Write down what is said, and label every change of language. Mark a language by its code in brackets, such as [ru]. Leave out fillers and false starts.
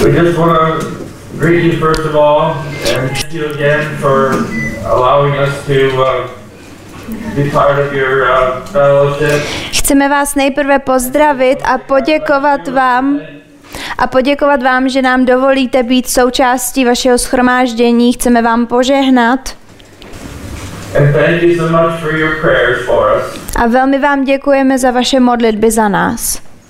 [en] We just want to greet you first of all, and thank you again for allowing us to be part of your fellowship. [cs] Chceme vás nejprve pozdravit a poděkovat vám. A poděkovat vám, že nám dovolíte být součástí vašeho shromáždění. Chceme vám požehnat. [en] And thank you so much for your prayers for us. [cs] A velmi vám děkujeme za vaše modlitby za nás.